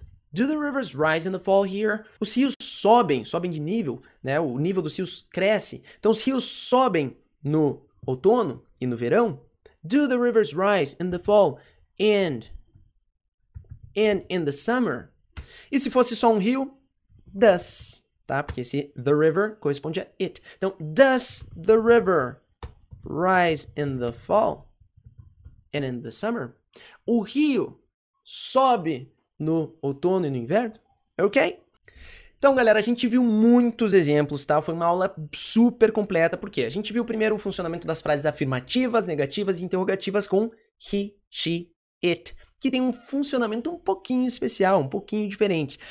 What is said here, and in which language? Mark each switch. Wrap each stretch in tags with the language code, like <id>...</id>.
<en>Do the rivers rise in the fall here?</en> <pt>Os rios sobem, sobem de nível, né? O nível dos rios cresce. Então, os rios sobem no outono e no verão?</pt> <en>Do the rivers rise in the fall and in the summer?</en> <pt>E se fosse só um rio? Does, tá? Porque esse</pt> <en>the river</en> <pt>corresponde a it.</pt> <en>Então, does the river rise in the fall and in the summer?</en> <pt>O rio sobe no outono e no inverno? Ok? Então, galera, a gente viu muitos exemplos, tá? Foi uma aula super completa, porque a gente viu primeiro o funcionamento das frases afirmativas, negativas e interrogativas com</pt> <en>he, she, it,</en> <pt>que tem um funcionamento um pouquinho especial, um pouquinho diferente.</pt>